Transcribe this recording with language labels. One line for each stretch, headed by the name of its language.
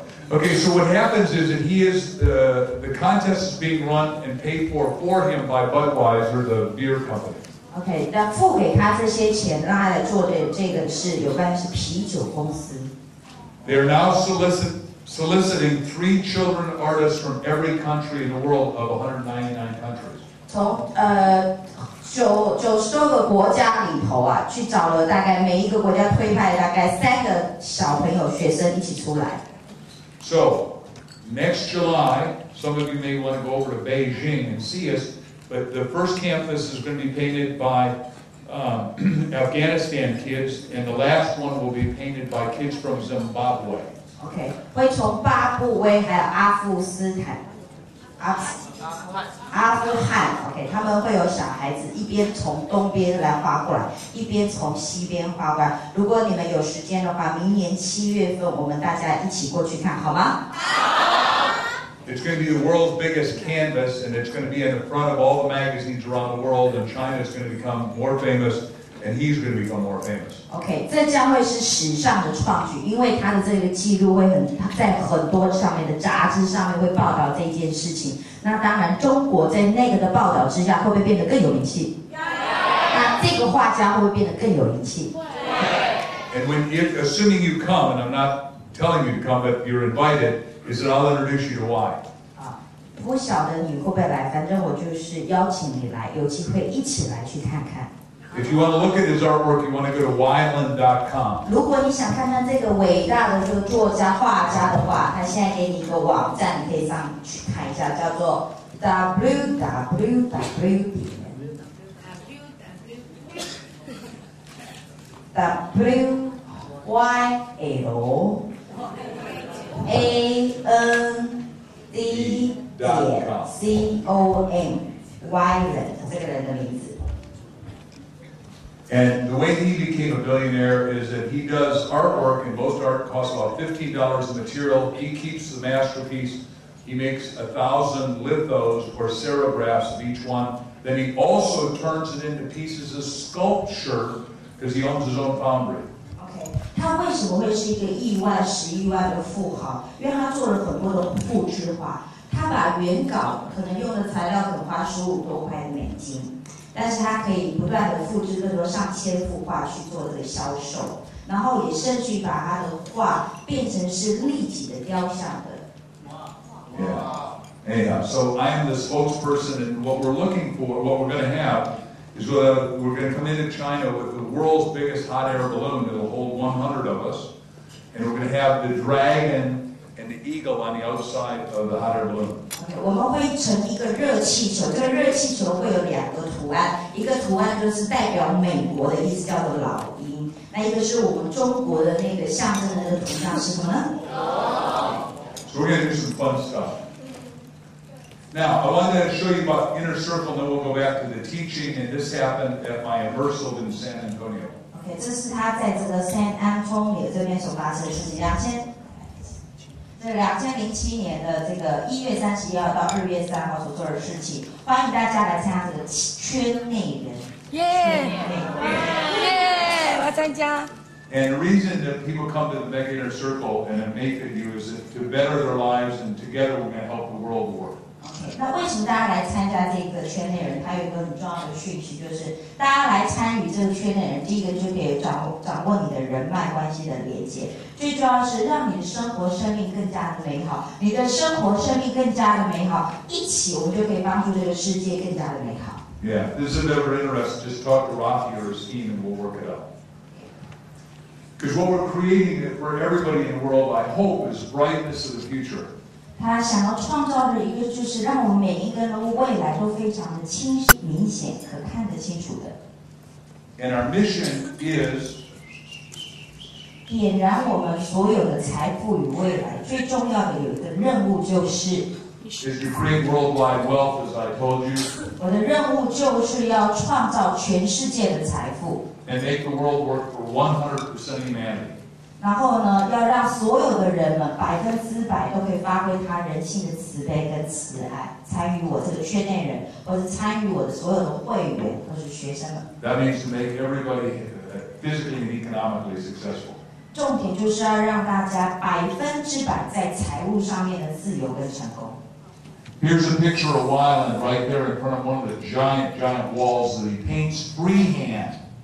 English: Okay, so what happens is that the contest is being run and paid for him by Budweiser, the beer company.
Chinese: Okay, 那付给他这些钱，让他来做的这个是有关是啤酒公司。
English: They are now soliciting three children artists from every country in the world of 199 countries.
Chinese: 从90多个国家里头啊，去找了大概每一个国家推派大概三个小朋友学生一起出来。
English: So, next July, some of you may want to go over to Beijing and see us, but the first campus is going to be painted by Afghanistan kids, and the last one will be painted by kids from Zimbabwe.
Chinese: Okay, 会从巴布韦还有阿富汗 okay, 他们会有小孩子一边从东边来画过来，一边从西边画过来。如果你们有时间的话，明年七月份我们大家一起过去看，好吗？
English: It's going to be the world's biggest canvas, and it's going to be in the front of all the magazines around the world, and China is going to become more famous, and he's going to become more famous.
Chinese: Okay, 这将会是史上的创举，因为他的这个记录会在很多上面的杂志上面会报道这件事情。那当然，中国在那个的报道之下，会不会变得更有名气？那这个画家会不会变得更有名气？对。
English: And when, if, assuming you come, and I'm not telling you to come, but you're invited, is that I'll introduce you to why?
Chinese: 不晓得你会不会来，反正我就是邀请你来，有机会一起来去看看。
English: If you want to look at his artwork, you want to go to Weiland.com.
Chinese: 如果你想看看这个伟大的这个作家画家的话，他现在给你一个网站，你可以上去看一下，叫做 www.weiland.com. Weiland 这个人的名字。
English: And the way he became a billionaire is that he does artwork, and most art costs about $15 a material. He keeps the masterpiece. He makes 1,000 lithos or serigraphs of each one. Then he also turns it into pieces of sculpture because he owns his own foundry.
Chinese: Okay, 他为什么会是一个亿万、十亿万的富豪？因为他做了很多的复制画。他把原稿可能用的材料可能花$15多块美金。但是他可以不断的复制更多上千幅画去做这个销售，然后也甚至把他的画变成是立体的雕像的。
English: Wow. Yeah. Anyhow, so I am the spokesperson, and what we're looking for, what we're going to have, is we're going to come into China with the world's biggest hot air balloon that'll hold 100 of us, and we're going to have the dragon and the eagle on the other side of the hot air balloon.
Chinese: Okay, 我们会成一个热气球，这个热气球会有两个图案，一个图案就是代表美国的意思，叫做老鹰，那一个是我们中国的那个象征的那个图像是什么呢？
English: So we're going to do some fun stuff. Now, I wanted to show you about Inner Circle, and then we'll go back to the teaching, and this happened at my immersal in San Antonio.
Chinese: Okay, 这是他在这个 San Antonio 这边所发生的事情。 2007年的这个1月31号到2月3号所做的事情，欢迎大家来参加这个圈内人。 Yeah! 我要参加。
English: And the reason that people come to the Mega Inner Circle and then make it you is to better their lives, and together we're going to help the world work.
Chinese: Okay, 那为什么大家来参加这个圈内人？它有一个很重要的讯息，就是大家来参与这个圈内人，第一个就可以掌握你的人脉关系的连接，最重要是让你的生活生命更加的美好。你的生活生命更加的美好，一起我们就可以帮助这个世界更加的美好。
English: Yeah, this is never interesting. Just talk to Rafi or his team, and we'll work it out. Because what we're creating for everybody in the world, I hope, is brightness of the future.
Chinese: 他想要创造的一个就是让我们每一个人未来都非常的清晰、明显、可看得清楚的。
English: And our mission is
Chinese: 点燃我们所有的财富与未来。最重要的有一个任务就是
English: is to create worldwide wealth, as I told you.
Chinese: 我的任务就是要创造全世界的财富。
English: And make the world work for 100% humanity.
Chinese: 然后呢，要让所有的人们100%都可以发挥他人性的慈悲跟慈爱，参与我这个圈内人，或者参与我的所有的会员或是学生们。
English: That means to make everybody physically and economically successful.
Chinese: 重点就是要让大家100%在财务上面的自由跟成功。
English: Here's a picture of Wyland right there in front of one of the giant walls that he paints freehand.